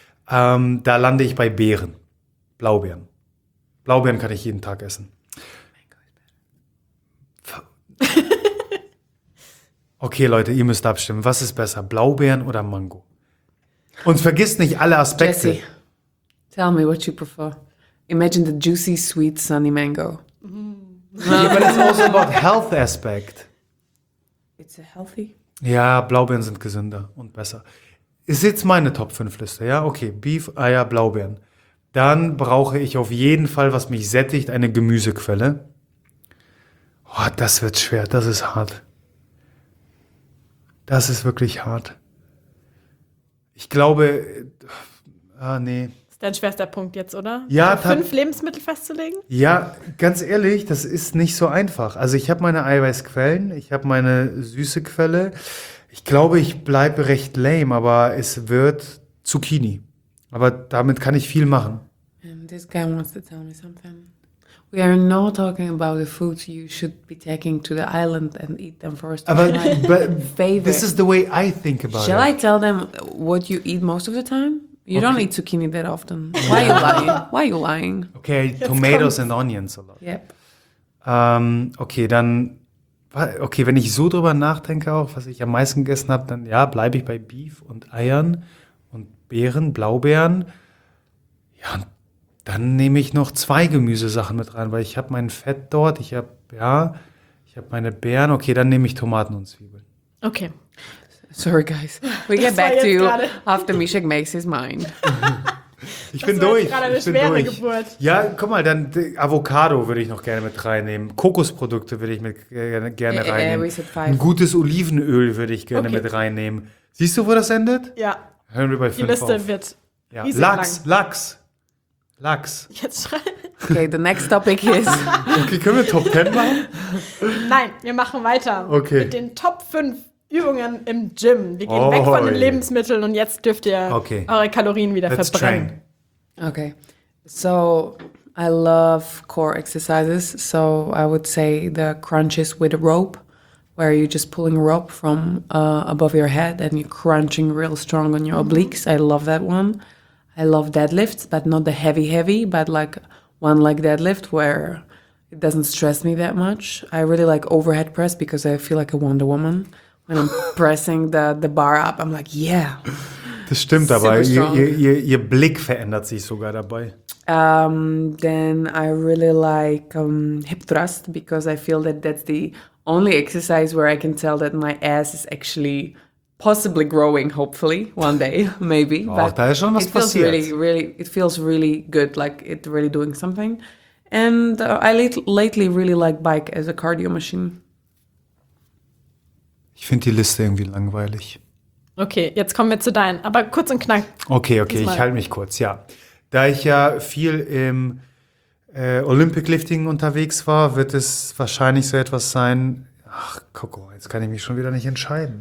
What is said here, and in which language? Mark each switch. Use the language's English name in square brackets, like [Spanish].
[German] Da lande ich bei Beeren. Blaubeeren. Blaubeeren kann ich jeden Tag essen. Okay, Leute, ihr müsst abstimmen. Was ist besser, Blaubeeren oder Mango? Und vergisst nicht alle Aspekte. [English] Jesse, tell me what you prefer. Imagine the juicy, sweet, sunny mango. But it's also about health aspect. It's a healthy. [German] Ja, Blaubeeren sind gesünder und besser. Ist jetzt meine Top 5 Liste, ja? Okay, Beef, Eier, Blaubeeren. Dann brauche ich auf jeden Fall, was mich sättigt, eine Gemüsequelle. Oh, das wird schwer, das ist hart. Das ist wirklich hart. Ich glaube, nee. Das ist dein schwerster Punkt jetzt, oder? Ja, 5 Lebensmittel festzulegen? Ja, ganz ehrlich, das ist nicht so einfach. Also ich habe meine Eiweißquellen, ich habe meine süße Quelle. Ich glaube, ich bleibe recht lame, aber es wird Zucchini. Aber damit kann ich viel machen. [English] And this guy wants to tell me something. We are not talking about the foods you should be taking to the island and eat them first. But this is the way I think about Shall it. Shall I tell them what you eat most of the time? You okay. don't eat zucchini that often. Yeah. Why are you lying? Why are you lying? Okay, tomatoes and onions a lot. Yep. [German] Okay, dann. Okay, wenn ich so drüber nachdenke, auch was ich am meisten gegessen habe, dann ja, bleibe ich bei Beef und Eiern und Beeren, Blaubeeren. Ja, dann nehme ich noch 2 Gemüsesachen mit rein, weil ich habe mein Fett dort, ich habe meine Beeren. Okay, dann nehme ich Tomaten und Zwiebeln. Okay. [English] Sorry, guys. We get back to you after Mishek makes his mind. [German] Ich bin durch. Das war jetzt gerade eine schwere Geburt. Ja, guck mal, dann Avocado würde ich noch gerne mit reinnehmen. Kokosprodukte würde ich mit gerne reinnehmen. Ein gutes Olivenöl würde ich gerne mit reinnehmen. Siehst du, wo das endet? Ja. Hören wir bei 5 auf. Die Liste wird riesig lang. Lachs. Jetzt schreibe. [English] Okay, the next topic is. [German] Okay, können wir Top 10 machen? Nein, wir machen weiter. Okay. Mit den Top 5 Übungen im Gym. Wir gehen weg von den Lebensmitteln und jetzt dürft ihr eure Kalorien wieder [English] Let's [German] verbrennen. [English] Train. Okay. So, I love core exercises. So, I would say the crunches with a rope, where you're just pulling a rope from above your head and you're crunching real strong on your obliques. I love that one. I love deadlifts, but not the heavy, but like one leg deadlift where it doesn't stress me that much. I really like overhead press because I feel like a Wonder Woman When I'm pressing the bar up, I'm like, yeah. [German] Das stimmt dabei. Ihr Blick verändert sich sogar dabei. [English] Then I really like hip thrust because I feel that that's the only exercise where I can tell that my ass is actually possibly growing, hopefully, one day, maybe. [German] Oh, da ist schon was passiert. [English] It feels really good, like it really doing something. And I lately really like bike as a cardio machine. [German] Ich finde die Liste irgendwie langweilig. Okay, jetzt kommen wir zu deinen, aber kurz und knack. Okay, ich halte mich kurz, ja. Da ich ja viel im Olympic Lifting unterwegs war, wird es wahrscheinlich so etwas sein. Ach, guck mal, jetzt kann ich mich schon wieder nicht entscheiden.